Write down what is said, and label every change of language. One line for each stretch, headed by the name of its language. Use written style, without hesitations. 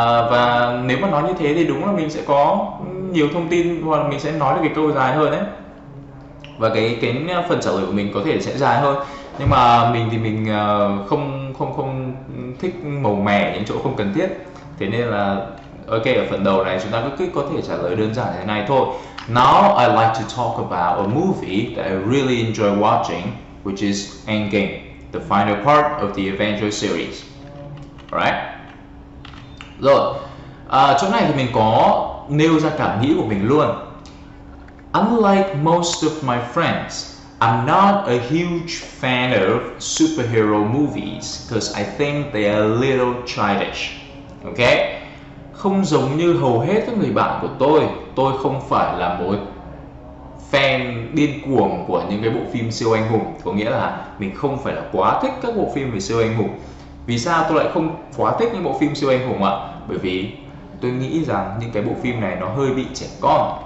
Vietnamese: Và nếu mà nói như thế thì đúng là mình sẽ có nhiều thông tin hoặc là mình sẽ nói được cái câu dài hơn đấy. Và cái phần trả lời của mình có thể sẽ dài hơn. Nhưng mà mình thì mình không thích màu mè những chỗ không cần thiết. Thế nên là ok, ở phần đầu này chúng ta cứ có thể trả lời đơn giản như thế này thôi.
English: Now I'd like to talk about a movie that I really enjoy watching, which is Endgame, the final part of the Avengers series. Alright.
Vietnamese: Rồi, chỗ này thì mình có nêu ra cảm nghĩ của mình luôn.
English: Unlike most of my friends, I'm not a huge fan of superhero movies because I think they are a little childish.
Vietnamese: Ok, không giống như hầu hết các người bạn của tôi không phải là một fan điên cuồng của những cái bộ phim siêu anh hùng. Có nghĩa là mình không phải là quá thích các bộ phim về siêu anh hùng. Vì sao tôi lại không quá thích những bộ phim siêu anh hùng ạ? Bởi vì tôi nghĩ rằng những cái bộ phim này nó hơi bị trẻ con.